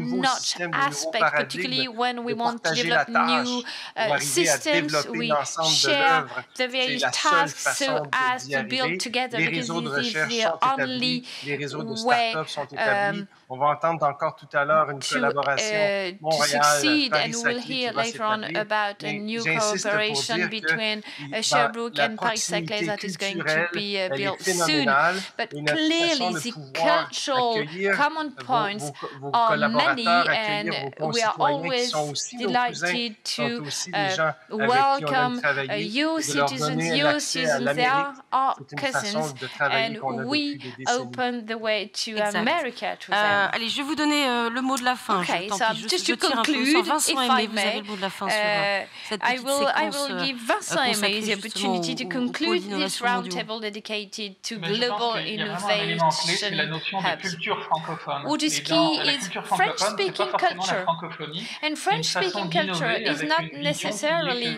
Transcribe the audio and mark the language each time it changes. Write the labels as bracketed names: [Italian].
[English] not aspect, particularly when we want to develop new systems, we share the various tasks so as to build together, because this is the only way [French] on va entendre encore tout à l'heure une collaboration Montréal-Paris-Saclay [English] about a new cooperation between Sherbrooke and Paris-Saclay that is going to be built soon. But clearly, the cultural common points are many, and we are always delighted to welcome your citizens. Your citizens, they are our cousins, and we open the way to America to them. [French] Allez, je vais vous donner le mot de la fin. [English] Okay, [French] je tire un peu sur Vincent Aimez, vous avez le mot de la fin sur cette petite séquence consacrée justement aux innovations mondiales. Mais je pense qu'il y a vraiment un élément clé, c'est la notion de culture francophone. [English] What is key is French-speaking culture. And French-speaking culture is not necessarily...